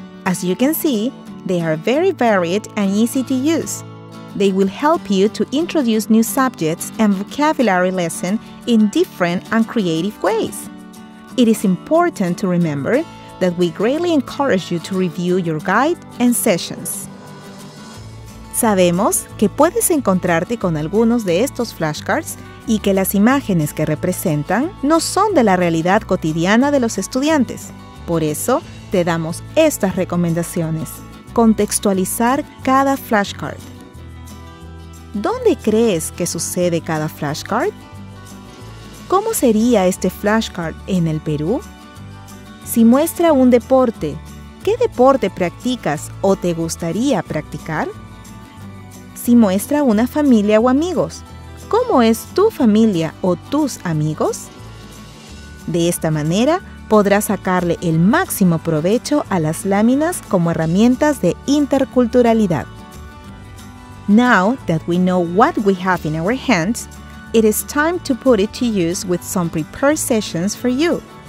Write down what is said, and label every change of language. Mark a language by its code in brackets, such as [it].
[en] As you can see, they are very varied and easy to use. They will help you to introduce new subjects and vocabulary lessons in different and creative ways. It is important to remember that we greatly encourage you to review your guide and sessions. [es] Sabemos que puedes encontrarte con algunos de estos flashcards y que las imágenes que representan no son de la realidad cotidiana de los estudiantes. Por eso, te damos estas recomendaciones. Contextualizar cada flashcard. ¿Dónde crees que sucede cada flashcard? ¿Cómo sería este flashcard en el Perú? Si muestra un deporte, ¿qué deporte practicas o te gustaría practicar? Si muestra una familia o amigos, ¿cómo es tu familia o tus amigos? De esta manera, podrás sacarle el máximo provecho a las láminas como herramientas de interculturalidad. [en] Now that we know what we have in our hands, it is time to put it to use with some prepared sessions for you.